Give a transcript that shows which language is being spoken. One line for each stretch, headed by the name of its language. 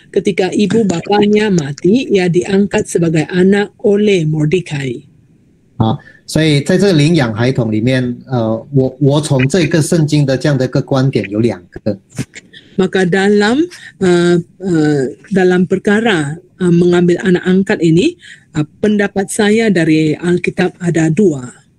Malay: Ketika ibu bapanya mati, ia diangkat sebagai anak oleh Mordekai.
Chinese: 所以在这个领养孩童里面，我从这个圣经的这样的一个观点有两个。
Malay: Maka dalam dalam perkara mengambil anak angkat ini, pendapat saya dari Alkitab ada dua.